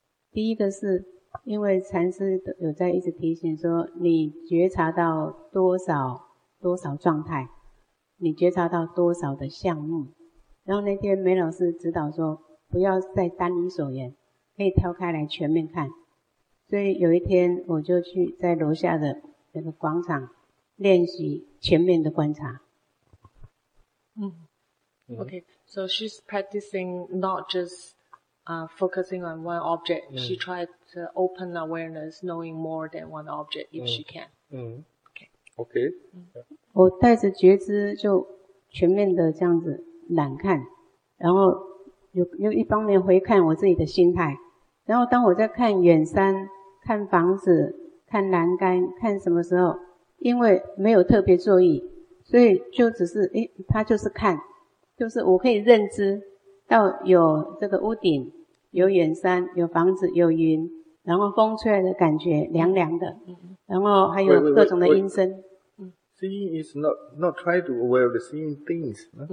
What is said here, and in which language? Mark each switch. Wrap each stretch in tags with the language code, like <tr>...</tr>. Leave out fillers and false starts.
<zh>第一个是因为禅师有在一直提醒说，你觉察到多少状态，你觉察到多少的项目，然后那天梅老师指导说不要再单一所言，可以挑开来全面看。所以有一天我就去在楼下的那个广场练习全面的观察。</zh> <en>Okay, so she's practicing not just focusing on one object. She tried to open awareness, knowing more than one object if she can. Okay.</en> <zh>我带着觉知就全面的这样子览看，然后又一方面回看我自己的心态，然后当我在看远山、看房子、看栏杆、看什么时候，因为没有特别注意，所以就只是他就是看，就是我可以认知到有这个屋顶、有远山、有房子、有云，然后风吹来的感觉凉凉的，然后还有各种的音声。</zh> <en>Seeing is not try to aware of the seeing things.</en>